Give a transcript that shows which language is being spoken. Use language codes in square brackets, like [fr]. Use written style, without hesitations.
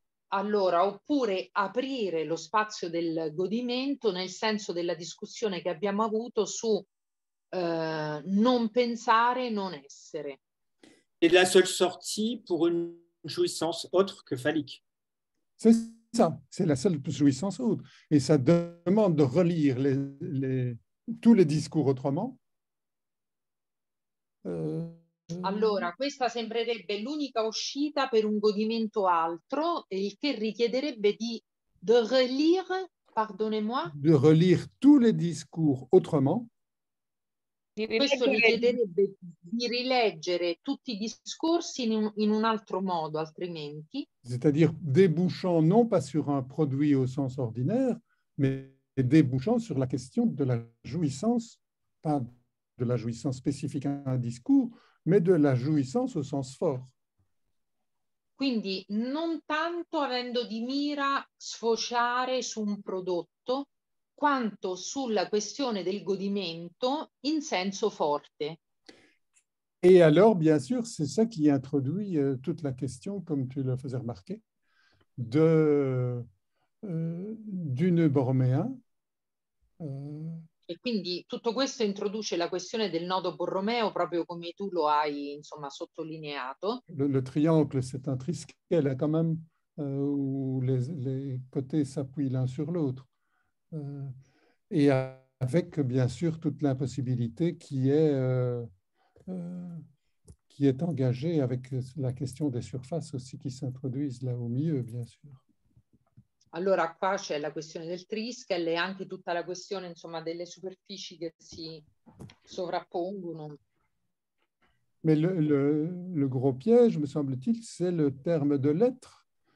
[it] Allora, oppure aprire lo spazio del godimento nel senso della discussione che abbiamo avuto su non pensare e non essere. [fr] È la seule sortie pour une jouissance autre que phallique. C'est ça, c'est la seule jouissance autre. Et ça demande de relire tous les discours autrement. [it] Allora, questa sembrerebbe l'unica uscita per un godimento altro, il che richiederebbe di [fr] relire, pardonnez-moi. De relire tous les discours autrement. [it] Questo richiederebbe di rileggere tutti i discorsi in un altro modo, altrimenti. [fr] C'est-à-dire débouchant non pas sur un produit au sens ordinaire, mais débouchant sur la question de la jouissance, pas de la jouissance spécifique à un discours, mais de la jouissance au sens fort. [it] Quindi non tanto avendo di mira sfociare su un prodotto, quanto sulla questione del godimento in senso forte. [fr] Et alors, bien sûr, c'est ça qui introduit toute la question, comme tu le faisais remarquer, du nœud borroméen. [it] E quindi tutto questo introduce la questione del nodo borromeo, proprio come tu lo hai, insomma, sottolineato. [fr] Le triangle, c'est un triskel, quand même, où les côtés s'appuient l'un sur l'autre. Et avec, bien sûr, toute l'impossibilité qui est engagée avec la question des surfaces aussi qui s'introduisent là au milieu, bien sûr. [it] Allora, qua c'è la questione del triskel e anche tutta la questione, insomma, delle superfici che si sovrappongono. [fr] Mais le gros piège, me semble-t-il, c'est le terme de lettre.